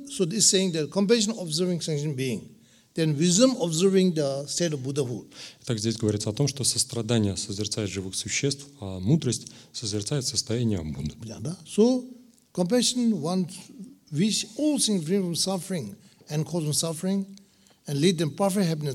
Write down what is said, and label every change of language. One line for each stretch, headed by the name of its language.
English: So this saying that compassion observing sentient being. Then wisdom observing the state of Buddhahood.
Russian: Так здесь говорится о том, что сострадание созерцает живых существ, а мудрость созерцает состояние Будды.
English: Yeah,
Russian: да?
English: So, compassion wants which all things free from suffering and cause from suffering and lead them perfect happiness.